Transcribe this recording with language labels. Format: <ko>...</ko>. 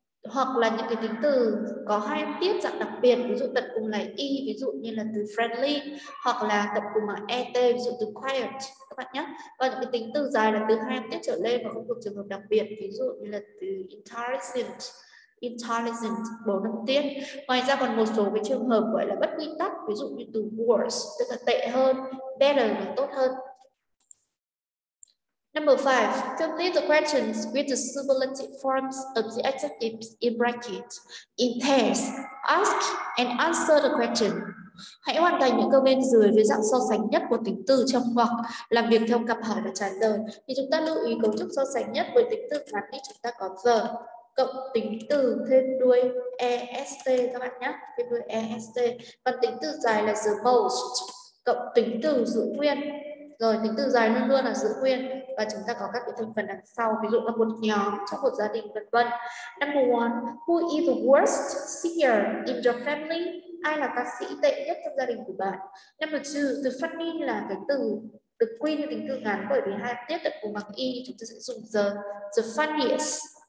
<vi>Hoặc là những cái tính từ có hai âm tiết dạng đặc biệt, ví dụ tận cùng là y, ví dụ như là từ friendly, hoặc là tận cùng là et, ví dụ từ quiet, các bạn nhé. Và những cái tính từ dài là từ hai âm tiết trở lên và không thuộc trường hợp đặc biệt, ví dụ như là từ intelligent. Intelligent, bốn âm tiết. Ngoài ra còn một số cái trường hợp gọi là bất quy tắc, ví dụ như từ worse, tức là tệ hơn, better là tốt hơn.</vi> <en>Number 5, complete the questions with the superlative forms of the adjectives in brackets, in pairs. Ask and answer the question.</en> <vi>Hãy hoàn thành những câu bên dưới với dạng so sánh nhất của tính từ trong hoặc, làm việc theo cặp hỏi và trả lời. Thì chúng ta lưu ý cấu trúc so sánh nhất với tính từ ngắn thì chúng ta có the, cộng tính từ thêm đuôi est các bạn nhé, thêm đuôi est. Còn tính từ dài là the most, cộng tính từ giữ nguyên. Rồi tính từ dài luôn luôn là giữ nguyên, và chúng ta có các cái thành phần đằng sau, ví dụ là một nhóm trong một gia đình, vân vân.</vi> <en>Number one, who is the worst singer in your family?</en> <vi>Ai là ca sĩ tệ nhất trong gia đình của bạn?</vi> <en>Number two, the funny</en> <vi>là cái từ the queen, tính từ ngắn, bởi vì hai tiết tận cùng bằng y, chúng ta sẽ dùng the funniest.</vi>